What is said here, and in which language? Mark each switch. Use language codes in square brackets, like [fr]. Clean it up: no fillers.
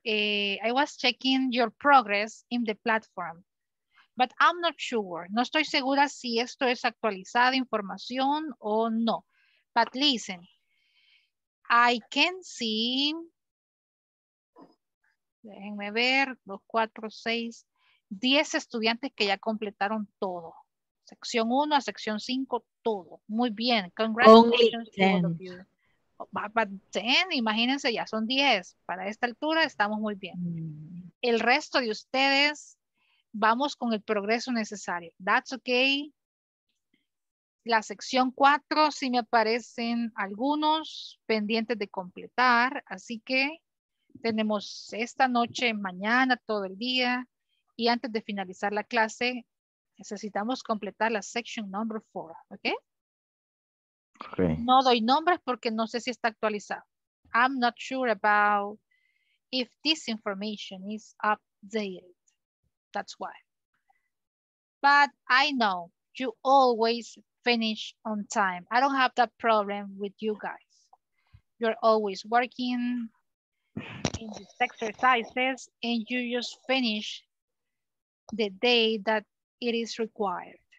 [en] I was checking your progress in the platform, but I'm not sure. [es] No estoy segura si esto es actualizada información o no. [en] But listen, I can see. [es] Déjenme ver, 2, 4, 6, 10 estudiantes que ya completaron todo. Sección 1 a sección 5, todo. Muy bien. [en] Congratulations. Only [es] 10. But 10, imagínense, ya son 10. Para esta altura estamos muy bien. El resto de ustedes, vamos con el progreso necesario. [en] That's okay. [es] la sección 4 sí me aparecen algunos pendientes de completar, así que tenemos esta noche, mañana, todo el día, y antes de finalizar la clase, necesitamos completar la [en] section number 4, [es] ¿ok? No doy nombres porque no sé si está actualizado. [en] I'm not sure about if this information is updated. That's why. But I know you always finish on time. I don't have that problem with you guys. You're always working in these exercises and you just finish the day that it is required.